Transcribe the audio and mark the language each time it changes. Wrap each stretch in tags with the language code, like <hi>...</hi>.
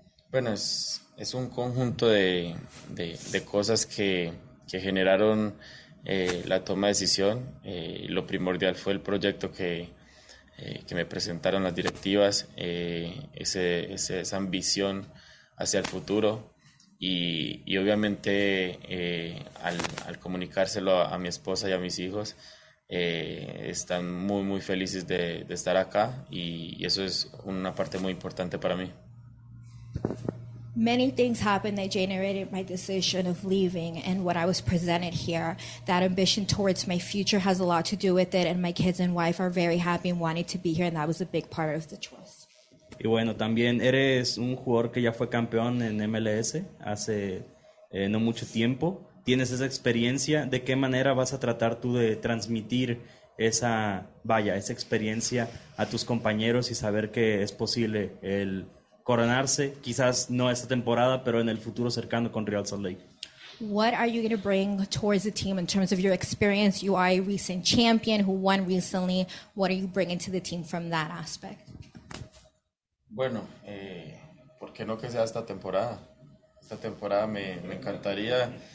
<es>Bueno, es un conjunto de cosas que generaron la toma de decisión. Lo primordial fue el proyecto que me presentaron las directivas, esa ambición hacia el futuro y obviamente al comunicárselo a mi esposa y a mis hijos, están muy muy felices de estar acá y eso es una parte muy importante para mí.</es> <en>Many things happened that generated my decision of leaving and what I was presented here. That ambition towards my future has a lot to do with it, and my kids and wife are very happy and wanted to be here, and that was a big part of the choice.</en> <es>Y bueno, también eres un jugador que ya fue campeón en MLS hace no mucho tiempo. Tienes esa experiencia. ¿De qué manera vas a tratar tú de transmitir esa experiencia a tus compañeros y saber que es posible el coronarse, quizás no esta temporada, pero en el futuro cercano con Real Salt Lake?</es> <en>What are you going to bring towards the team in terms of your experience? You are a recent champion who won recently. What are you bringing to the team from that aspect?</en> <es>Bueno, ¿por qué no que sea esta temporada? Esta temporada me encantaría.</es>